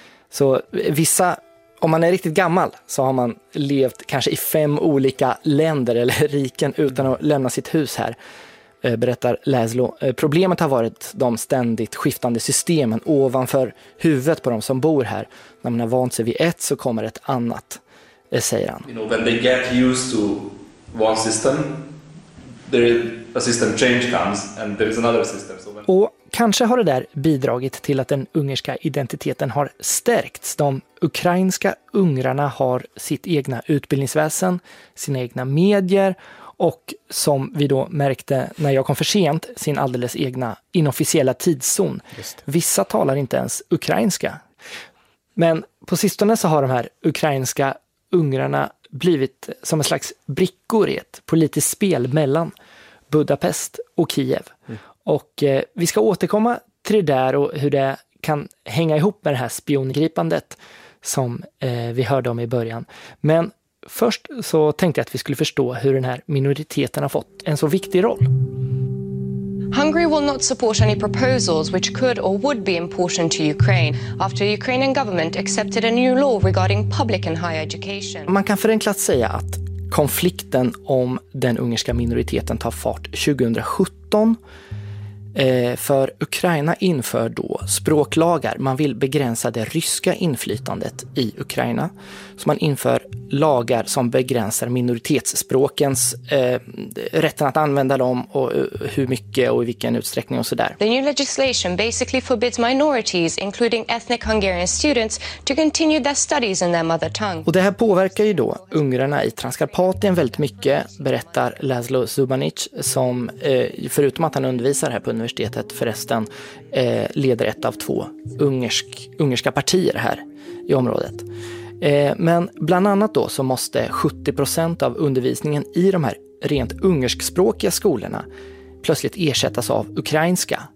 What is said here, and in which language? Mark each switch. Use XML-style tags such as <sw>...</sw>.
<sv>Så vissa, om man är riktigt gammal så har man levt kanske i 5 olika länder eller riken utan att lämna sitt hus här, berättar Laszlo. Problemet har varit de ständigt skiftande systemen ovanför huvudet på de som bor här. När man har vant sig vid ett så kommer ett annat, säger han.</sv> <en>You know, when they get used to one system, there is a system change comes and there is another system. So when...</en> <sv>Och kanske har det där bidragit till att den ungerska identiteten har stärkts. De ukrainska ungrarna har sitt egna utbildningsväsen, sina egna medier och som vi då märkte när jag kom för sent, sin alldeles egna inofficiella tidszon. Vissa talar inte ens ukrainska. Men på sistone så har de här ukrainska ungrarna blivit som en slags brickor i ett politiskt spel mellan Budapest och Kiev. Mm. Och vi ska återkomma till det där och hur det kan hänga ihop med det här spiongripandet som vi hörde om i början. Men först så tänkte jag att vi skulle förstå hur den här minoriteten har fått en så viktig roll.</sv> <en>Hungary will not support any proposals which could or would be important to Ukraine after the Ukrainian government accepted a new law regarding public and higher education.</en> <sv>Man kan förenklat säga att konflikten om den ungerska minoriteten tar fart 2017. För Ukraina inför då språklagar. Man vill begränsa det ryska inflytandet i Ukraina. Så man inför lagar som begränsar minoritetsspråkens rätten att använda dem och hur mycket och i vilken utsträckning och sådär.</sv> <en>The new legislation basically forbids minorities, including ethnic Hungarian students, to continue their studies in their mother tongue.</en> <sv>Och det här påverkar ju då ungrarna i Transkarpatien väldigt mycket, berättar Laszlo Zubanic, som förutom att han undervisar här på universitetet förresten, leder ett av två ungerska partier här i området. Men bland annat då så måste 70% av undervisningen i de här rent ungerskspråkiga skolorna plötsligt ersättas av ukrainska.</sv>